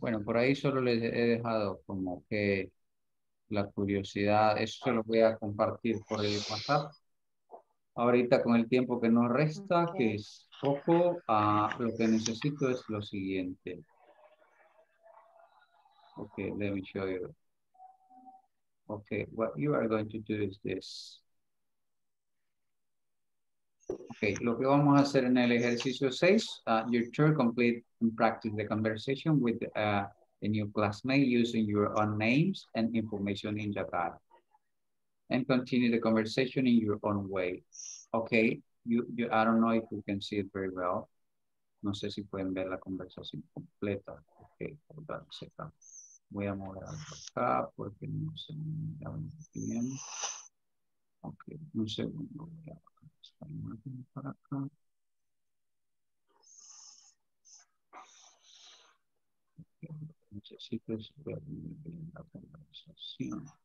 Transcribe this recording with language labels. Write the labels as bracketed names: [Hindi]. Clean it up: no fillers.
[Spanish] Bueno, por ahí solo les he dejado como que la curiosidad. Eso se lo voy a compartir por el WhatsApp. Ahorita con el tiempo que nos resta, okay. Que es poco, lo que necesito es lo siguiente. [English] Okay, let me show you. Okay, what you are going to do is this. Okay, [Spanish] lo que vamos a hacer en el ejercicio 6, [English] your turn complete and practice the conversation with a new classmate using your own names and information in Japan. And continue the conversation in your own way. Okay, you I don't know if you can see it very well. [Spanish] No sé si pueden ver la conversación completa. Okay, [English] hold on a second. [Spanish] Voy a mover acá porque no se me da muy bien. Ok, un segundo. Voy a bajar esta imagen para acá. Okay, lo que necesito es ver muy bien la conversación.